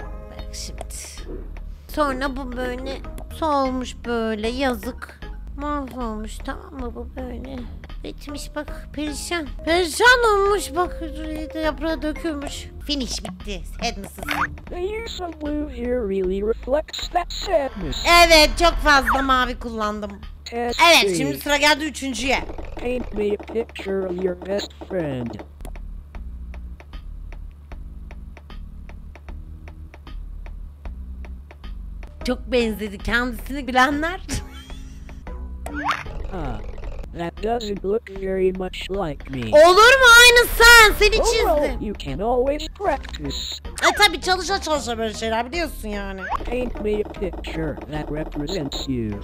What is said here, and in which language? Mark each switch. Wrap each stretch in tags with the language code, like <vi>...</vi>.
<tr>Bak şimdi. Sonra bu böyle solmuş böyle, yazık. Mahvolmuş, tamam mı bu böyle? Bitmiş bak, perişan. Perişan olmuş bak, yaprağı dökülmüş.</tr> <en>Finish</en> <tr>bitti, sadness'ın.</tr> <en>The use of blue here really reflects that sadness.</en> <tr>Evet, çok fazla mavi kullandım. Evet, şimdi sıra geldi üçüncüye.</tr> <en>Paint me a picture of your best friend.</en> <tr>Çok benzedi kendisini bilenler.</tr> <en>That doesn't look very much like me.</en> <tr>Olur mu, aynı sen, seni çizdim.</tr> <en>Well, you can always practice.</en> <tr>E tabi çalışa böyle şeyler biliyorsun yani.</tr> <en>Paint me a picture that represents you.</en>